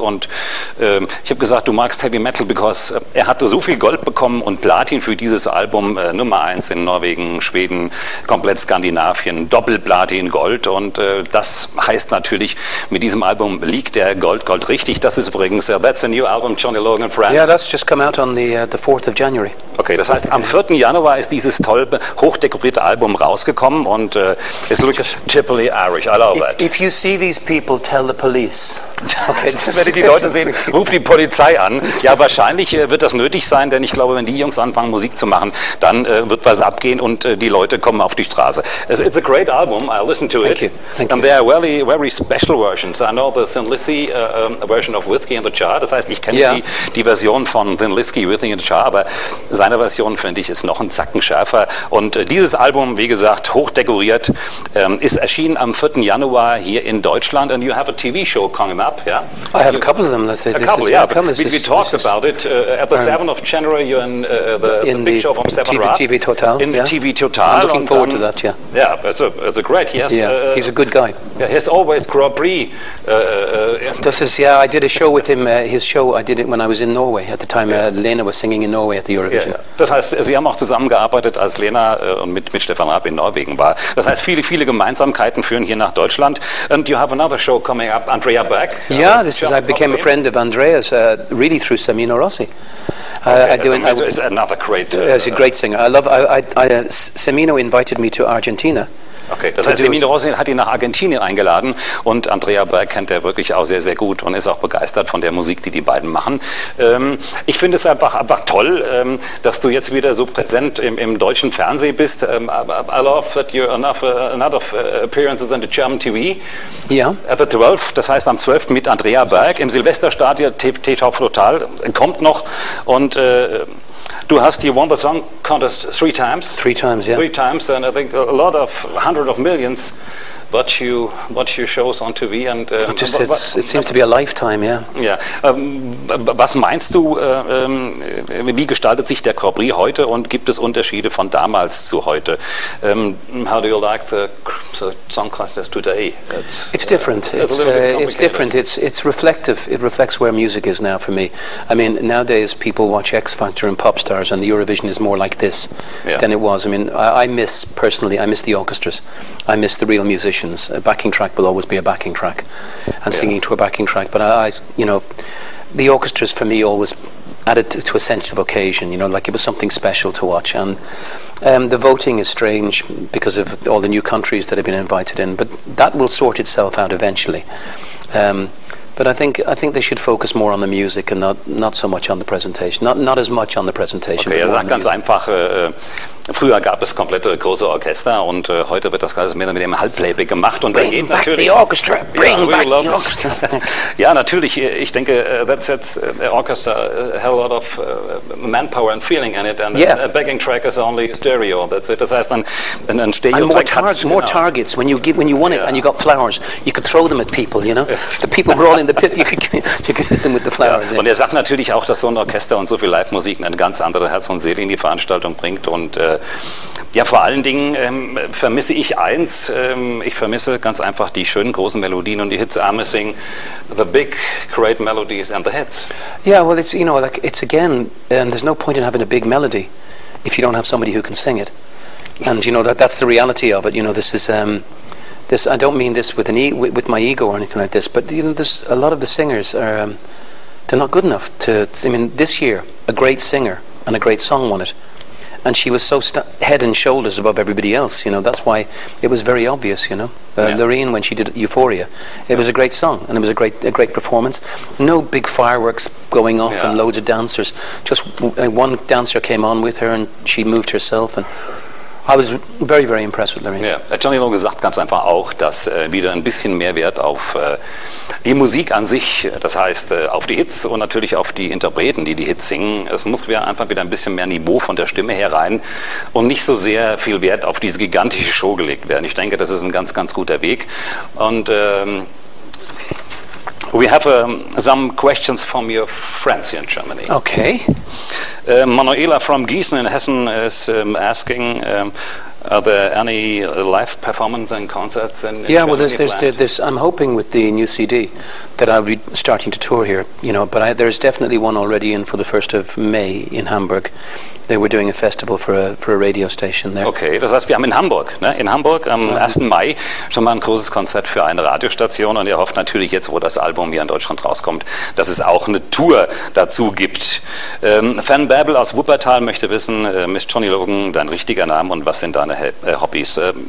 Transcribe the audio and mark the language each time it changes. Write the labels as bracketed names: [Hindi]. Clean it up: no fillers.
[German] Und ich habe gesagt, du magst Heavy Metal, because er hatte so viel Gold bekommen und Platin für dieses Album, Nummer 1 in Norwegen, Schweden, komplett Skandinavien, Doppelplatin, Gold, und das heißt natürlich, mit diesem Album liegt er Gold richtig. Das ist übrigens, [English] that's a new album, Johnny Logan and Friends. Yeah, that's just come out on the 4th of January. [German] Okay, das heißt, am 4. Januar ist dieses tolle, hochdekorierte Album rausgekommen, und es [English] looks triply Irish, I love it. If you see these people, tell the police. [German] Okay, wenn ihr die Leute sehen, ruft die Polizei an. Ja, wahrscheinlich wird das nötig sein, denn ich glaube, wenn die Jungs anfangen, Musik zu machen, dann wird was abgehen, und die Leute kommen auf die Straße. [English] It's a great album, I listen to Thank it. Thank you. And there are very, very special versions. I know the Thin Lizzy version of Whiskey in the Jar. [German] Das heißt, ich kenne die Version von Thin Lizzy, Whiskey in the Jar, aber seine Version, finde ich, ist noch ein Zacken schärfer. Und dieses Album, wie gesagt, hochdekoriert, ist erschienen am 4. Januar hier in Deutschland. [English] And you have a TV show coming up, yeah? I have a couple of them. Let's say. A couple, we talked about it. At the 7th of January, you're in the big show from Stefan Raab. TV Total. In the TV Total. I'm looking forward to that, yeah. Yeah, it's a great, yes. Yeah. He's a good guy. Yeah, he's always Grand Prix. I did a show with him, his show, I did it when I was in Norway, at the time Lena was singing in Norway at the Eurovision. Yeah, [German] yeah. Das heißt, Sie haben auch zusammengearbeitet, als Lena mit Stefan Raab in Norwegen war. Das heißt, viele, viele Gemeinsamkeiten führen hier nach Deutschland. [English] And you have another show coming up, Andrea Beck. Yeah, this is, I became a friend of Andrea's, really through Samino Rossi. It's another great singer. I love, Samino invited me to Argentina. [German] Okay, das heißt, Emin Rosin hat ihn nach Argentinien eingeladen und Andrea Berg kennt er wirklich auch sehr, sehr gut und ist auch begeistert von der Musik, die die beiden machen. Ich finde es einfach toll, dass du jetzt wieder so präsent im deutschen Fernsehen bist. [English] I love that you're enough appearances on the German TV. [German] Ja. [English] At the 12th, [German] das heißt am 12. mit Andrea Berg im Silvesterstadion TV Total, kommt noch und... Du hast, [English] you won the song contest three times. Three times, yeah. Three times, and I think a lot of, hundreds of millions watch your shows on TV. And it seems to be a lifetime, yeah. Yeah. [German] Was meinst du, wie gestaltet sich der Cabri heute und gibt es Unterschiede von damals zu heute? [English] How do you like the song contest today? It's different. It's different. It's reflective. It reflects where music is now for me. I mean, nowadays people watch X Factor and pop stars, and the Eurovision is more like this than it was. I mean, I miss the orchestras. I miss the real musicians. A backing track will always be a backing track, and singing to a backing track. But I, you know, the orchestras for me always added to a sense of occasion, you know, like it was something special to watch. And the voting is strange because of all the new countries that have been invited in, but that will sort itself out eventually. But I think they should focus more on the music and not so much on the presentation. Not as much on the presentation. [German] Okay, er sagt ganz einfach, früher gab es komplette große Orchester und heute wird das Ganze mehr mit dem Halbplayback gemacht. Und [English] bring [German] da geht [English] back [German] natürlich, [English] the orchestra, bring back the orchestra. [German] Ja, natürlich, ich denke, [English] that's the orchestra, a lot of manpower and feeling in it. And a backing track is only stereo, that's it. [German] Das heißt, ein Stereo-Track hat... [English] And more targets, when you won it and you got flowers, you could throw them at people, you know? The people were all in the pit, you could hit them with the flowers. [German] Ja. Und er sagt natürlich auch, dass so ein Orchester und so viel Live-Musik eine ganz andere Herz und Seele in die Veranstaltung bringt und... Ja, vor allen Dingen vermisse ich eins. Ich vermisse ganz einfach die schönen großen Melodien und die Hits. [English] I'm missing the big, great melodies and the hits. Yeah, well, it's, you know, like, it's again, there's no point in having a big melody if you don't have somebody who can sing it. And, you know, that's the reality of it. You know, this is, this. I don't mean this with my ego or anything like this, but, you know, there's a lot of the singers are, they're not good enough to, I mean, this year, a great singer and a great song won it. And she was so head and shoulders above everybody else, you know. That's why it was very obvious, you know. Loreen, when she did Euphoria, it was a great song, and it was a great performance. No big fireworks going off and loads of dancers. Just one dancer came on with her, and she moved herself, and... I was very, very impressed with Lorraine. [German] Ja, Johnny Logan sagt ganz einfach auch, dass wieder ein bisschen mehr Wert auf die Musik an sich, das heißt auf die Hits und natürlich auf die Interpreten, die Hits singen. Es muss einfach wieder ein bisschen mehr Niveau von der Stimme her rein und nicht so sehr viel Wert auf diese gigantische Show gelegt werden. Ich denke, das ist ein ganz, ganz guter Weg. [English] Und we have some questions from your friends here in Germany. Okay. Manuela from Gießen in Hessen is asking, are there any live performances and concerts in Yeah, Germany well, there's, I'm hoping with the new CD that I'll be starting to tour here, you know, but there's definitely one already in for the 1st of May in Hamburg. They were doing a festival for a radio station there. [German] Okay, das heißt, wir haben in Hamburg, ne? In Hamburg am 1. Mai schon mal ein großes Konzert für eine Radiostation und ihr hofft natürlich jetzt, wo das Album hier in Deutschland rauskommt, dass es auch eine Tour dazu gibt. Fan Babel aus Wuppertal möchte wissen, Miss Johnny Logan, dein richtiger Name und was sind deine Hobbys?